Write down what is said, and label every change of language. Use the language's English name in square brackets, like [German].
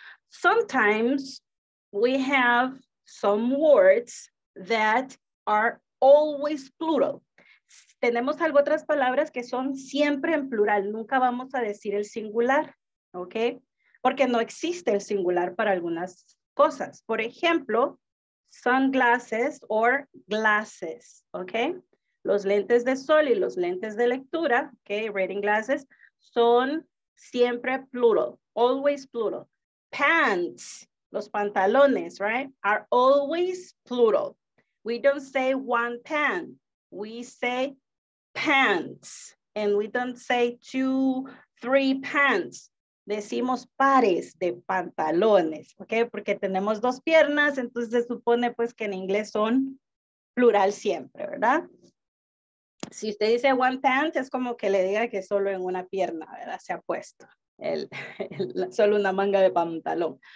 [English] Sometimes we have some words that are always plural. [Spanish] Tenemos algo otras palabras que son siempre en plural. Nunca vamos a decir el singular, [English] okay? [Spanish] Porque no existe el singular para algunas cosas. Por ejemplo, [English] sunglasses or glasses, okay? [Spanish] Los lentes de sol y los lentes de lectura, okay, [English] reading glasses, [Spanish] son siempre plural, [English] always plural. Pants, [Spanish] los pantalones, [English] right, are always plural. We don't say one pant, we say pants, and we don't say two, three pants. [Spanish] Decimos pares de pantalones, ¿ok? Porque tenemos dos piernas, entonces se supone pues que en inglés son plural siempre, ¿verdad? Si usted dice [English] one pant, [Spanish] es como que le diga que solo en una pierna, ¿verdad? Se ha puesto solo una manga de pantalón.